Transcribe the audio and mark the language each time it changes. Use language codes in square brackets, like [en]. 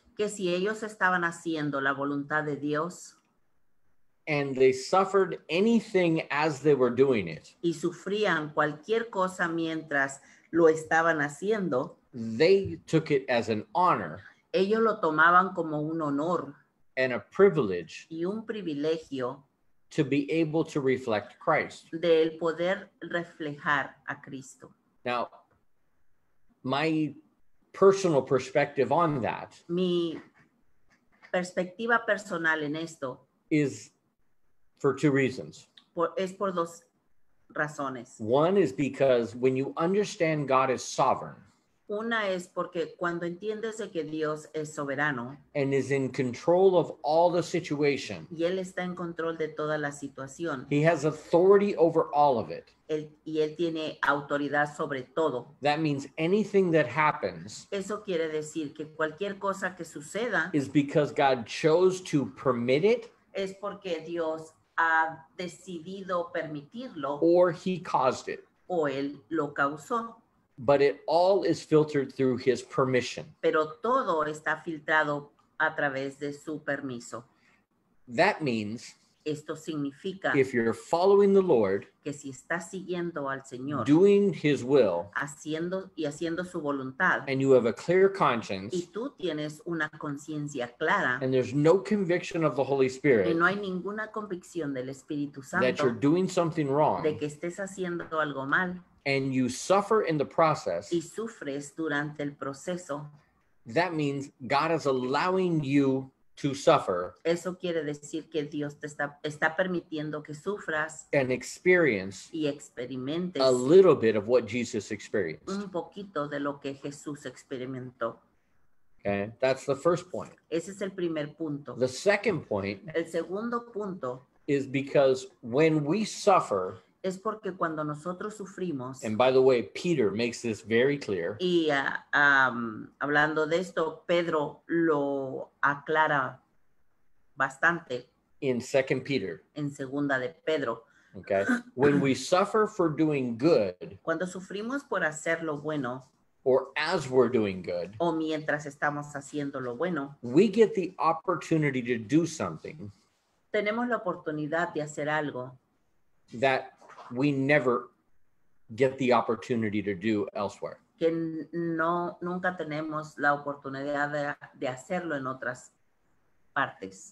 [es] Que si ellos estaban haciendo la voluntad de Dios. [en] And they suffered anything as they were doing it. [es] Y sufrían cualquier cosa mientras lo estaban haciendo. [en] They took it as an honor. [es] Ellos lo tomaban como un honor. [en] And a privilege. [es] Y un privilegio. [en] To be able to reflect Christ. [es] Del poder reflejar a Cristo. [en] Now, my personal perspective on that. [es] Mi perspectiva personal en esto. [en] Is for two reasons. [es] Es por dos razones. [en] One is because when you understand God is sovereign. [es] Una es porque cuando entiendes de que Dios es soberano. [en] And is in control of all the situation. [es] Y él está en control de toda la situación. [en] He has authority over all of it. [es] Y él tiene autoridad sobre todo. [en] That means anything that happens. [es] Eso quiere decir que cualquier cosa que suceda. [en] Is because God chose to permit it. [es] Es porque Dios ha decidido permitirlo. [en] Or he caused it. [es] O él lo causó. [en] But it all is filtered through his permission. [es] Pero todo está filtrado a través de su permiso. [en] That means. [es] Esto significa. [en] If you're following the Lord. [es] Que si estás siguiendo al Señor. [en] Doing his will. [es] Haciendo su voluntad. [en] And you have a clear conscience. [es] Y tú tienes una conciencia clara. [en] And there's no conviction of the Holy Spirit. [es] Y no hay ninguna convicción del Espíritu Santo. [en] That you're doing something wrong. [es] De que estés haciendo algo mal. [en] And you suffer in the process. [es] Y sufres durante el proceso. [en] That means God is allowing you to suffer. [es] Eso quiere decir que Dios te está permitiendo que sufras. [en] And experience. [es] Y experimentes. [en] A little bit of what Jesus experienced. [es] Un poquito de lo que Jesús experimentó. [en] Okay, that's the first point. [es] Ese es el primer punto. [en] The second point. [es] El segundo punto. [en] Is because when we suffer. [es] Es porque cuando nosotros sufrimos. [en] And by the way, Peter makes this very clear. [es] Y hablando de esto, Pedro lo aclara bastante. [en] In 2 Peter. [es] En segunda de Pedro. [en] Okay. When we suffer for doing good. [es] Cuando sufrimos por hacer lo bueno. [en] or as we're doing good, [es] o mientras estamos haciendo lo bueno, [en] we get the opportunity to do something, [es] tenemos la oportunidad de hacer algo, [en] that we never get the opportunity to do elsewhere. [es] Que no, nunca tenemos la oportunidad de hacerlo en otras partes.